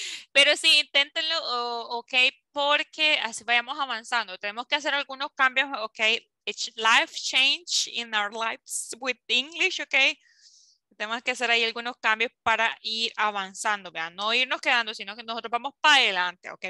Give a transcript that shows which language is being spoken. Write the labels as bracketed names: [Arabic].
[Spanish] Pero sí, inténtenlo, ok, porque así vayamos avanzando. Tenemos que hacer algunos cambios, ok. [English] It's life change in our lives with English, ok. [Spanish] Tenemos que hacer ahí algunos cambios para ir avanzando, vean. No irnos quedando, sino que nosotros vamos para adelante, ok.